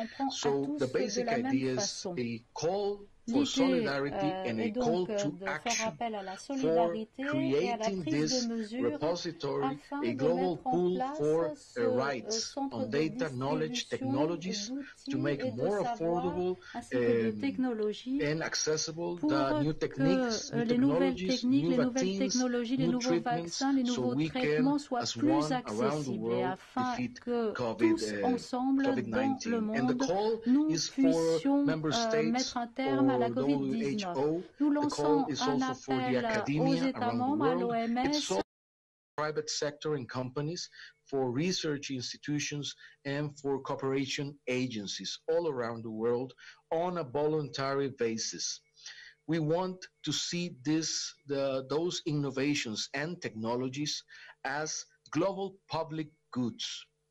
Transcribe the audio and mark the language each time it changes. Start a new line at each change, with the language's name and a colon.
English: So the basic idea is a call for solidarity and a call to action for creating this repository, a global pool for rights on data, knowledge, technologies to make more affordable and accessible the new techniques, new technologies, new treatments, so we can, as one around the world, defeat COVID-19. And the call is for member states or WHO.
French: Nous lançons un appel aux États membres, à l'OMS,
English: it's also private sector and companies, for research institutions and for cooperation agencies all around the world on a voluntary basis. We want to see those innovations and technologies as global public goods.